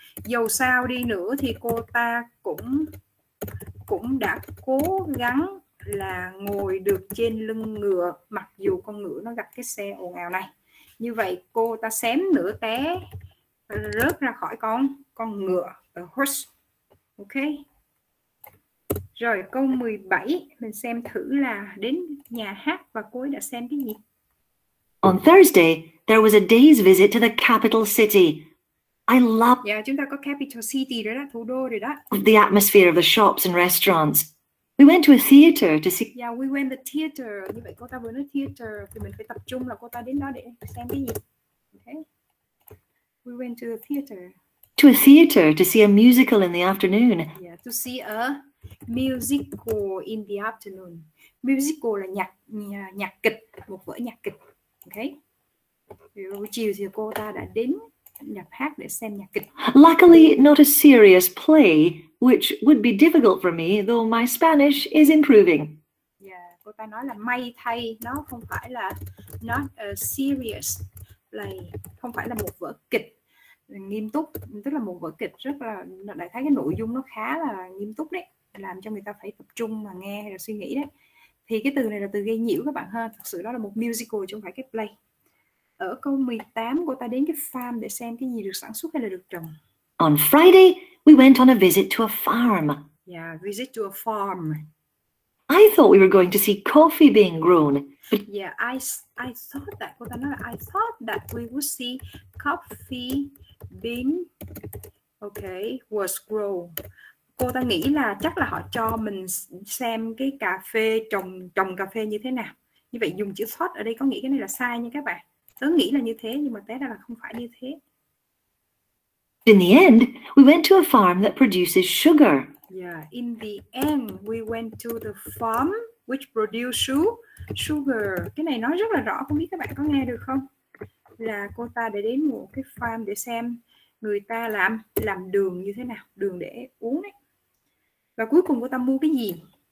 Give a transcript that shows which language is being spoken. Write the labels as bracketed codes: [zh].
[vi] Dù sao đi nữa thì cô ta cũng đã cố gắng là ngồi được trên lưng ngựa mặc dù con ngựa nó gặp cái xe ồn ào này. Như vậy cô ta xém nửa té rớt ra khỏi con ngựa, a horse. Ok. Rồi câu 17 mình xem thử là đến nhà hát và cô ấy đã xem cái gì. [en] On Thursday there was a day's visit to the capital city. I love. [vi] Yeah, chúng ta có capital city rồi đó, thủ đô rồi đó. [en] The atmosphere of the shops and restaurants. We went to a theater to see. Yeah, we went to the theater. [vi] Như vậy cô ta vừa nói theater thì mình phải tập trung là cô ta đến đó để xem cái gì. [en] Okay. We went to the theater. To a theater to see a musical in the afternoon. Yeah, to see a musical in the afternoon. [vi] Musical là nhạc kịch, một vở nhạc kịch. Okay. Buổi chiều thì cô ta đã đến nhà hát để xem nhạc kịch. [en] Luckily, not a serious play, which would be difficult for me, though my Spanish is improving. [vi] Yeah, cô ta nói là may thay, nó không phải là [en] not a serious play, [vi] không phải là một vở kịch nghiêm túc, tức là một vở kịch rất là, đại khái cái nội dung nó khá là nghiêm túc đấy, làm cho người ta phải tập trung mà nghe hay là suy nghĩ đấy. Thì cái từ này là từ gây nhiễu các bạn ha, thật sự đó là một musical chứ không phải cái play. Ở câu 18, cô ta đến cái farm để xem cái gì được sản xuất hay là được trồng. [en] On Friday, we went on a visit to a farm. Yeah, visit to a farm. I thought we were going to see coffee being grown. But yeah, I thought that. [vi] Cô ta nói là [en] I thought that we would see coffee being, okay, was grown. [vi] Cô ta nghĩ là chắc là họ cho mình xem cái cà phê, trồng cà phê như thế nào. Như vậy dùng chữ thought ở đây có nghĩa cái này là sai nha các bạn. Tớ nghĩ là như thế nhưng mà té ra là không phải như thế. [en] In the end, we went to a farm that produces sugar. Yeah, in the end, we went to the farm which produces sugar. [vi] Cái này nói rất là rõ, không biết các bạn có nghe được không? Là cô ta để đến một cái farm để xem người ta làm đường như thế nào, đường để uống ấy. Và cuối cùng cô ta mua cái gì?